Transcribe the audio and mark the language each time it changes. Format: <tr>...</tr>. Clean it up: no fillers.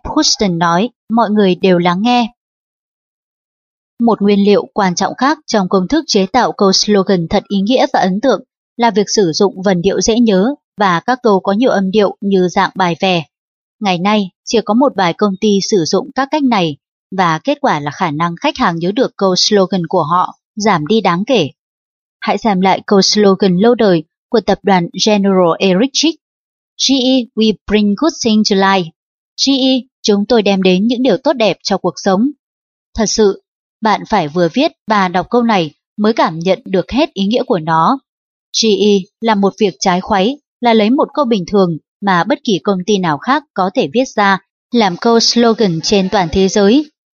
<vi>Houston nói, mọi người đều lắng nghe. Một nguyên liệu quan trọng khác trong công thức chế tạo câu slogan thật ý nghĩa và ấn tượng là việc sử dụng vần điệu dễ nhớ và các câu có nhiều âm điệu như dạng bài vè. Ngày nay, chỉ có một vài công ty sử dụng các cách này và kết quả là khả năng khách hàng nhớ được câu slogan của họ giảm đi đáng kể. Hãy xem lại câu slogan lâu đời của tập đoàn General Electric.</vi> <en>GE, we bring good things to life.</en> <vi>GE, chúng tôi đem đến những điều tốt đẹp cho cuộc sống. Thật sự, bạn phải vừa viết và đọc câu này mới cảm nhận được hết ý nghĩa của nó. GE là một việc trái khuấy, là lấy một câu bình thường mà bất kỳ công ty nào khác có thể viết ra làm câu slogan trên toàn thế giới.</vi>